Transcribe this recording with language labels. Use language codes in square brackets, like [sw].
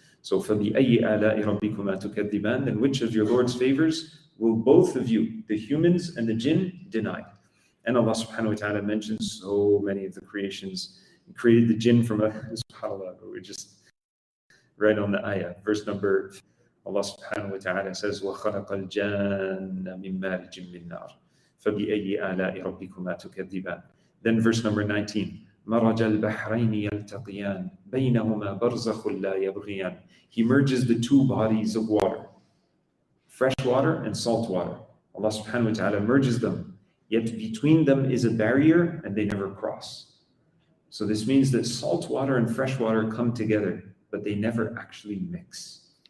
[en] So [ar] فَبِأَيِّ آلَاءِ رَبِّكُمَا تُكَذِّبَانِ. [en] Then which of your Lord's favors will both of you, the humans and the jinn, deny? And Allah subhanahu wa ta'ala mentions so many of the creations. He created the jinn from a subhanAllah, but we just read on the ayah. Verse number, Allah subhanahu wa ta'ala says, [ar] وَخَلَقَ الْجَانَّ مِنْ مَارِجٍ مِنْ نَارٍ فَبِأَيِّ آلَاءِ رَبِّكُمَا تُكَذِّبَانِ. Then verse number 19, مرج البحرين يلتقيان بينهما برزخ لا يبغيان. [en] He merges the two bodies of water, fresh water and salt water. Allah subhanahu wa ta'ala merges them, yet between them is a barrier and they never cross. So this means that salt water and fresh water come together, but they never actually mix.